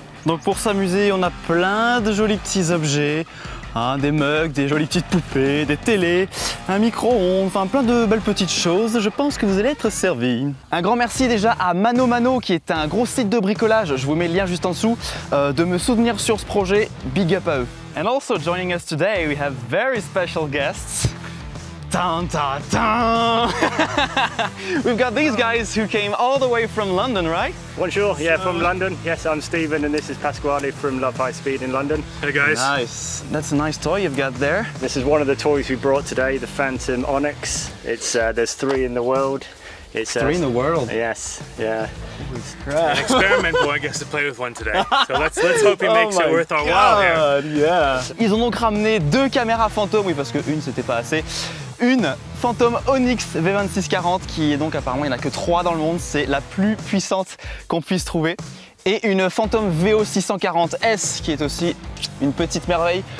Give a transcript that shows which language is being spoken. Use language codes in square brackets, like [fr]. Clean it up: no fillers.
[fr] Donc pour s'amuser, on a plein de jolis petits objets, hein, des mugs, des jolies petites poupées, des télés, un micro-ondes, enfin plein de belles petites choses. Je pense que vous allez être servi. Un grand merci déjà à Mano Mano, qui est un gros site de bricolage, je vous mets le lien juste en dessous, de me soutenir sur ce projet. Big up à eux. [en] And also joining us today, we have very special guests. Dun, dun, dun. We've got these guys who came all the way from London, right? Bonjour, yeah, from London. Yes, I'm Stephen and this is Pasquale from Love High Speed in London. Hey guys. Nice. That's a nice toy you've got there. This is one of the toys we brought today, the Phantom Onyx. It's there's 3 in the world. It's 3 in the world? Yes, yeah. It's an experimental one, I guess, to play with one today. So let's hope he makes it worth our while here. Yeah. [fr] Ils ont donc ramené 2 caméras fantômes, oui parce que une c'était pas assez. Une Phantom Onyx V2640 qui est donc apparemment, il n'y en a que 3 dans le monde, c'est la plus puissante qu'on puisse trouver. Et une Phantom VO640S qui est aussi une petite merveille.